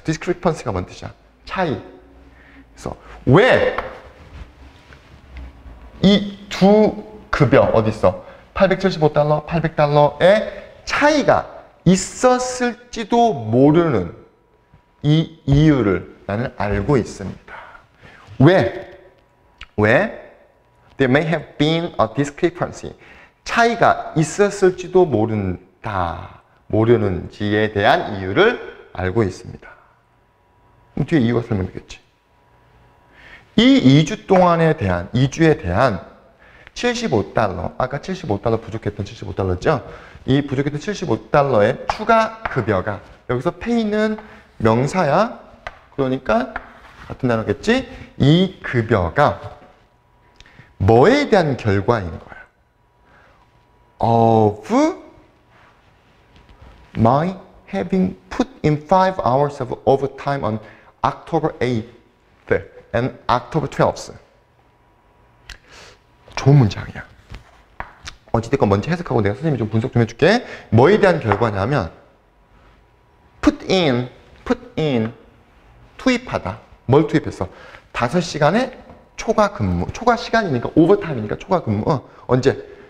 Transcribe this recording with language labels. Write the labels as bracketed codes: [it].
[ko] Discrepancy가 뭔 뜻이야? 차이. 그래서 왜 이 두 급여 어디 있어? 875달러, 800달러의 차이가 있었을지도 모르는 이 이유를 나는 알고 있습니다. 왜? 왜? [en] There may have been a discrepancy. [ko] 차이가 있었을지도 모른다. 모르는지에 대한 이유를 알고 있습니다. 그럼 뒤에 이유가 설명되겠지. 이 2주 동안에 대한, 2주에 대한 75달러, 아까 75달러 부족했던 75달러죠? 이 부족했던 75달러의 추가 급여가, 여기서 pay는 명사야. 그러니까, 같은 단어겠지? 이 급여가, 뭐에 대한 결과인 거야? [en] of my having put in 5 hours of overtime on October 8th and October 12th. [ko] 좋은 문장이야. 어찌됐건 먼저 해석하고 내가 선생님이 좀 분석 좀 해줄게. 뭐에 대한 결과냐면 put in 투입하다. 뭘 투입했어? 5시간의 초과 근무. 초과 시간이니까 오버타임이니까 초과 근무. 언제?